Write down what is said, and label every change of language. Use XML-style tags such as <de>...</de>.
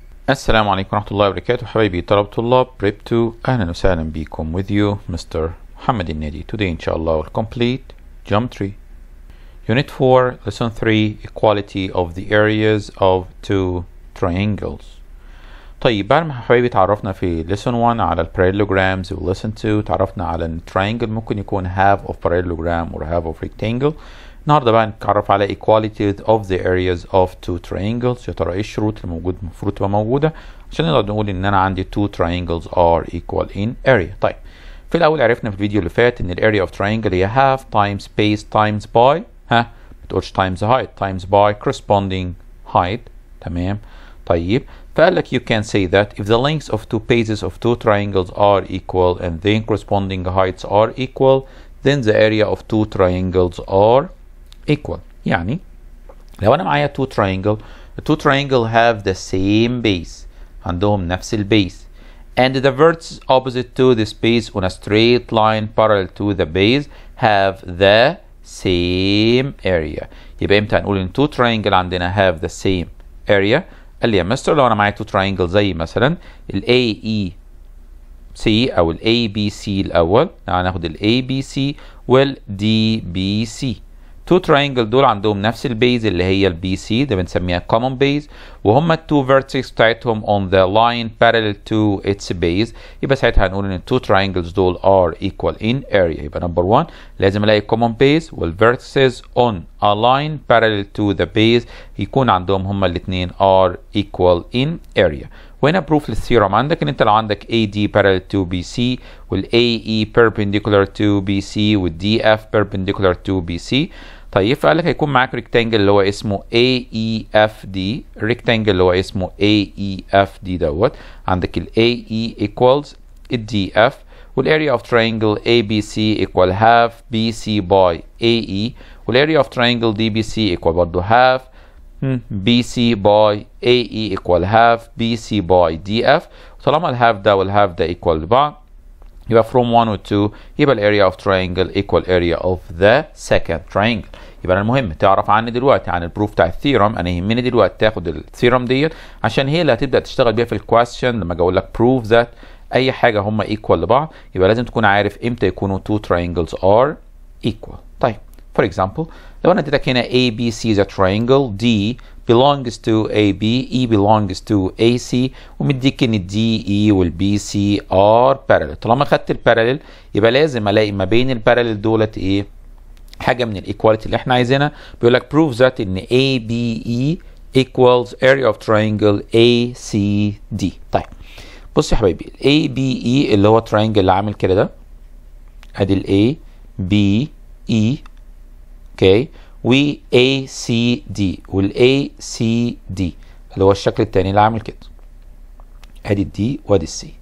<ar>السلام عليكم ورحمة الله وبركاته حبيبي طلب طلاب بريب 2 أهلا وسهلا بكم</ar> <en>with you Mr. Mohamed Elnady today inshallah we'll complete geometry unit 4 lesson 3 equality of the areas of two triangles. طيب بعد ما حبيبي تعرفنا في lesson 1 على parallelograms و lesson 2 تعرفنا على triangle ممكن يكون half of parallelogram or half of rectangle.</en> <ar>النهاردة بقى نتعرف على equality of the areas of two triangles. يا ترى ايه الشروط الموجود المفروض تبقى موجودة عشان نقدر نقول ان انا عندي</ar> <en>two triangles are equal in area. طيب في الاول عرفنا في الفيديو اللي فات ان the area of triangle هي half times base times by ها بتقولش times height times by corresponding height.</en> <ar>تمام طيب فقال لك</ar> <en>you can say that if the lengths of two bases of two triangles are equal and then corresponding heights are equal then the area of two triangles are equal. يعني لو انا معايا two triangle, the two triangle have the same base,</en> <ar>عندهم نفس البيس,</ar> <en>and the vertices opposite to this base on a straight line parallel to the base have the same area.</en> <ar>يبقى امتى نقول ان two triangle عندنا</ar> <en>have the same area؟</en> <ar>قال لي يا مستر لو انا معايا two triangle زي مثلا ال ABC او ال ABC الاول, يعني ناخد ال ABC وال DBC. Two triangle دول عندهم نفس البيز اللي هي البي سي ده بنسميها common base وهم التو vertices بتاعتهم</ar> <en>on the line parallel to its base.</en> <ar>يبقى ساعتها هنقول ان التو triangles دول</ar> <en>are equal in area. يبقى number one</en> <ar>لازم الاقي</ar> <en>common base والvertices on a line parallel to the base يكون عندهم هم الاثنين are equal in area. وهنا proof للثيرم عندك ان انت لو عندك AD parallel to BC والAE perpendicular to BC والDF perpendicular to BC. طيب فقال لك هيكون معاك rectangle اللي هو اسمه AEFD, rectangle اللي هو اسمه AEFD دوت, عندك ال AE equals DF والarea of triangle ABC equal half BC by AE والarea of triangle DBC equal برضو half BC by AE equal half BC by DF. طالما ال half ده وال half ده equal لبعض يبقى from 1 و 2 يبقى ال area of triangle equal area of the second triangle.</en> <ar>يبقى المهم تعرف عني دلوقتي عن البروف بتاع الثيرم, انا يهمني دلوقتي تاخد الثيرم ديت عشان هي اللي هتبدا تشتغل بيها في الكويستشن لما اجي اقول لك</ar> <en>prove that</en> <ar>اي حاجه هم equal لبعض يبقى لازم تكون عارف امتى يكونوا</ar> <en>two triangles are equal. طيب for example لو انا اديتك هنا ABC is a triangle, D belongs to AB, E belongs to AC</en> <ar>ومديك ان</ar> <en>DE والBC are parallel.</en> <ar>طالما خدت البارلل يبقى لازم الاقي ما بين البارلل دولت ايه حاجه من الايكواليتي اللي احنا عايزينها.</ar> <en>بيقول لك prove that ان ABE equals area of triangle ACD.</en> <ar>طيب بص يا حبايبي ال ABE اللي هو triangle اللي عامل كده ده ادي ال ABE Okay. وACD والACD اللي هو الشكل التاني اللي عامل كده ادي الدي وادي السي.</ar>